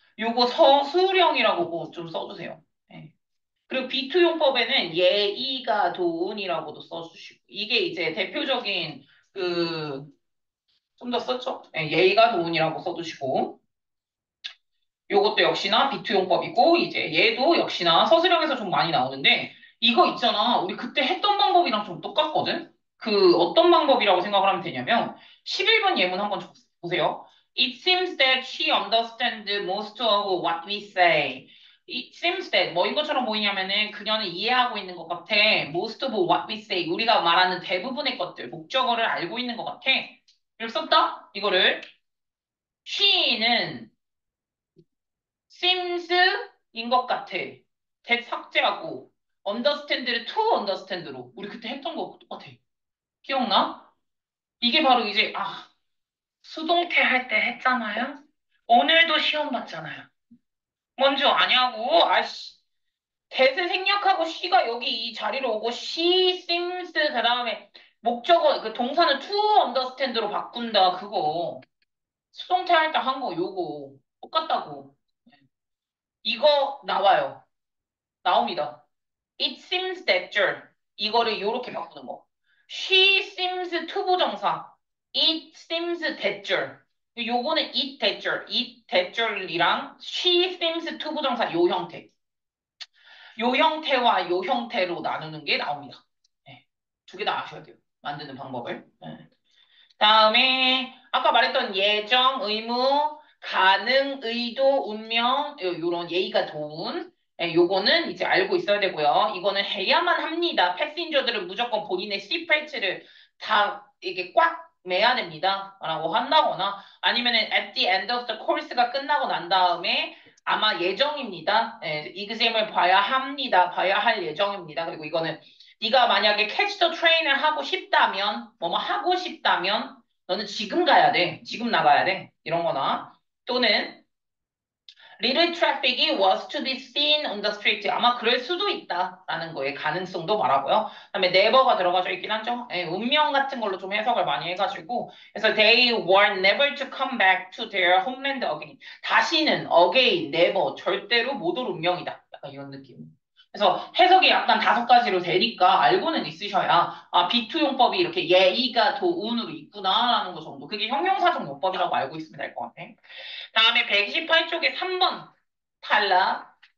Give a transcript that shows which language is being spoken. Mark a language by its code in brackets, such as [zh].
[ko] 요거 서술형이라고 뭐좀 써주세요. 그리고 비투 용법에는 예의가 도운이라고도 써주시고, 이게 이제 대표적인 그, 좀더 썼죠? 예의가 도운이라고 써두시고. 요것도 역시나 비트용법이고, 이제 얘도 역시나 서술형에서 좀 많이 나오는데, 이거 있잖아. 우리 그때 했던 방법이랑 좀 똑같거든? 그 어떤 방법이라고 생각을 하면 되냐면, 11번 예문 한번 보세요. [en] It seems that she understands most of what we say. It seems that, [ko] 뭐 이것처럼 보이냐면은, 그녀는 이해하고 있는 것 같아. [en] Most of what we say. [ko] 우리가 말하는 대부분의 것들, 목적어를 알고 있는 것 같아. 이렇게 썼다? 이거를. She는, seems 인것 같아. that 삭제하고 understand를 [en] to understand [ko] 로 우리 그때 했던 거 똑같아. 기억나? 이게 바로 이제 아 수동태 할때 했잖아요. 오늘도 시험 봤잖아요. 뭔줄 아냐고? 아씨 that을 생략하고 she가 여기 이 자리로 오고 [en] she seems [ko] 그다음에 목적어 그 동사는 [en] to understand [ko] 로 바꾼다. 그거 수동태 할때한거 요거 똑같다고. [en] 이거 나와요. 나옵니다. It seems that girl. [ko] 이거를 이렇게 바꾸는 거. [en] She seems to [ko] 부정사. [en] It seems that girl. [ko] 요거는 [en] it that girl. It that girl [ko] 이랑 [en] she seems to [ko] 부정사 요 형태. 요 형태와 요 형태로 나누는 게 나옵니다. 네. 두개다 아셔야 돼요. 만드는 방법을. 네. 다음에 아까 말했던 예정, 의무, 가능, 의도, 운명, 요런 예의가 좋은, 예, 요거는 이제 알고 있어야 되고요. 이거는 해야만 합니다. 패신저들은 무조건 본인의 C 패치를 다 이게 꽉 메야 됩니다. 라고 한다거나, 아니면은 [en] at the end of the course [ko] 가 끝나고 난 다음에 아마 예정입니다. 예, exam을 봐야 합니다. 봐야 할 예정입니다. 그리고 이거는 네가 만약에 [en] catch the train [ko] 을 하고 싶다면, 뭐뭐 하고 싶다면, 너는 지금 가야 돼. 지금 나가야 돼. 이런 거나. [en] 또는 little traffic was to be seen on the street. [ko] 아마 그럴 수도 있다라는 거에 가능성도 말하고요. 그다음에 never가 들어가져 있긴 하죠. 예, 운명 같은 걸로 좀 해석을 많이 해가지고. 그래서 [en] they were never to come back to their homeland again. [ko] 다시는 again, never, 절대로 못올 운명이다. 약간 이런 느낌. 그래서 해석이 약간 다섯 가지로 되니까 알고는 있으셔야 아, B2용법이 이렇게 예의가 도운으로 있구나라는 것 정도. 그게 형용사적 용법이라고 알고 있으면 될것 같아. 다음에 128쪽에 3번 탈락.